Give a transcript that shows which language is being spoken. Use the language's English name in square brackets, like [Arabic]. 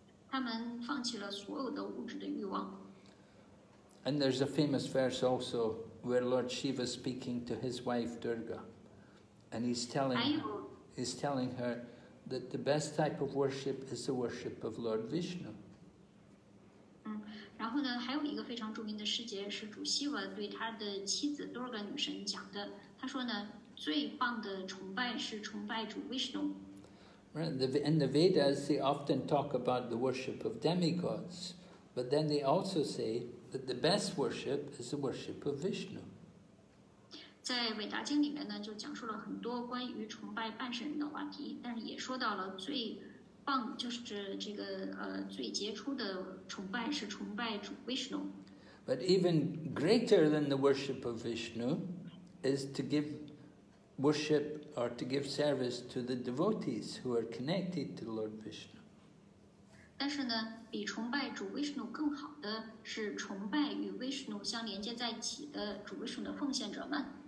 [Chinese] 他们放弃了所有的物质的欲望。 [English] And there's a famous verse also where Lord Shiva is speaking to his wife Durga, and he's telling her. That the best type of worship is the worship of Lord Vishnu. [Chinese] 然后呢，还有一个非常著名的诗节是主希瓦对他的妻子 Durga 女神讲的。他说呢，最棒的崇拜是崇拜主 Vishnu. [English] In the Vedas, they often talk about the worship of demigods, but then they also say that the best worship is the worship of Vishnu. [Chinese] 在《韦达经》里面呢，就讲述了很多关于崇拜半神的话题，但是也说到了最棒，就是这个最杰出的崇拜是崇拜主 Vishnu。 [English] But even greater than the worship of Vishnu is to give worship or to give service to the devotees who are connected to Lord Vishnu。 [Chinese] 但是呢，比崇拜主 Vishnu 更好的是崇拜与 Vishnu 相连接在一起的主 Vishnu 的奉献者们。